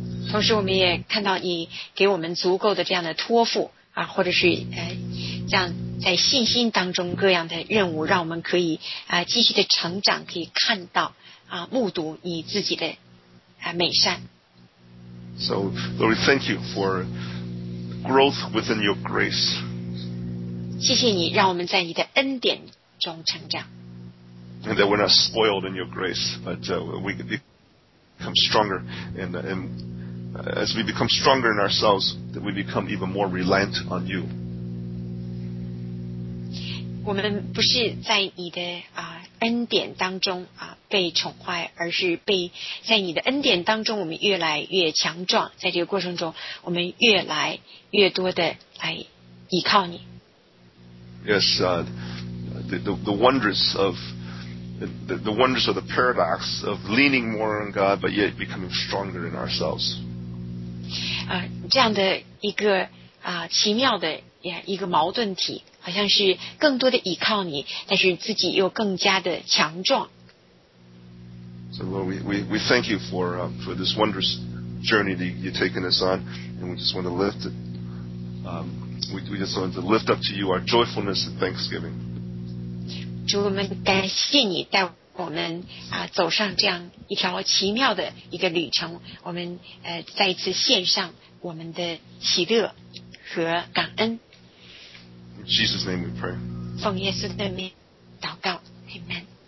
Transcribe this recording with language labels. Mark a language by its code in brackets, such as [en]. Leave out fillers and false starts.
[zh] 同时我们也看到你给我们足够的这样的托付或者是这样在信心当中各样的任务，让我们可以继续的成长，可以看到目睹你自己的美善。 [en] So, Lord, thank you for growth within your grace. [zh] 谢谢你让我们在你的恩典中成长。 [en] And that we're not spoiled in your grace, but we can become stronger and as we become stronger in ourselves, that we become even more reliant on you. [zh] 我们不是在你的恩典当中被宠坏，而是在你的恩典当中，我们越来越强壮。在这个过程中，我们越来越多的来依靠你。 [en] Yes, the wonders of the wonders of the paradox of leaning more on God, but yet becoming stronger in ourselves. [zh] 这样的一个奇妙的一个矛盾体，好像是更多的依靠你，但是自己又更加的强壮。 [en] So Lord, we thank you for this wondrous journey that you've taken us on, and we just want to lift it. We just want to lift up to you our joyfulness and thanksgiving. [zh] 主，我们感谢你带我们走上这样一条奇妙的一个旅程，我们再一次献上我们的喜乐和感恩。 [en] In Jesus' name we pray. [zh] 奉耶稣的名祷告， Amen.